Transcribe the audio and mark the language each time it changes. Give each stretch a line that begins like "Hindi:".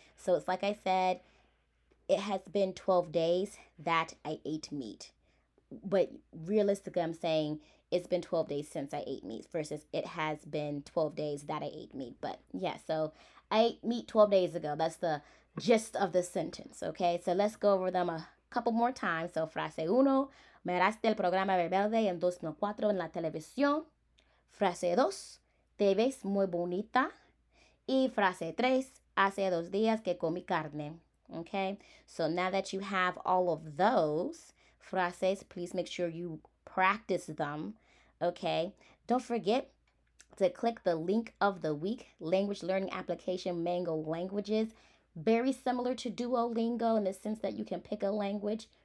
English: So it's like I said, it has been 12 days that I ate meat. But realistically, I'm saying it's been 12 days since I ate meat versus it has been 12 days that I ate meat. But yeah, so I ate meat 12 days ago. That's the gist of the sentence, okay? So let's go over them a couple more times.
Spanish: So frase uno, miraste el programa Verbelde en 2004 en la televisión. Frase dos, te ves muy bonita. Y frase tres, hace dos días que comí carne, okay?
English: So now that you have all of those frases, please make sure you practice them, okay? Don't forget to click the link of the week, language learning application, Mango Languages. Very similar to Duolingo in the sense that you can pick a language.